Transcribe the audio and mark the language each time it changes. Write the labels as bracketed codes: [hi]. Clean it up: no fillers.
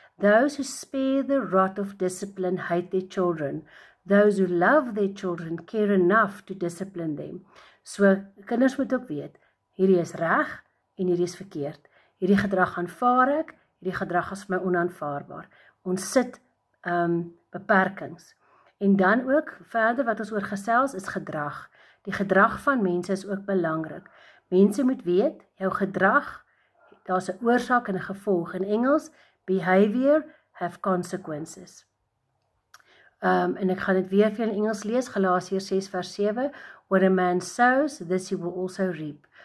[en] Those who spare the rod of discipline hate their children. Those who love their children care enough to discipline them. [af] So, kinders moet ook weet, hierdie is reg en hierdie is verkeerd. Hierdie gedrag aanvaar ek, hierdie gedrag is my onaanvaarbaar. Ons sit beperkings. En dan ook, verder wat ons oor gesels is gedrag. Die gedrag van mense is ook belangrik. Mense moet weet, jou gedrag, daar's 'n oorsaak en 'n gevolg. In Engels, [en] behavior have consequences. [af] En ek gaan dit weer vir in Engels lees, Galasiërs 6 vers 7, [en] what a man sows, this he will also reap.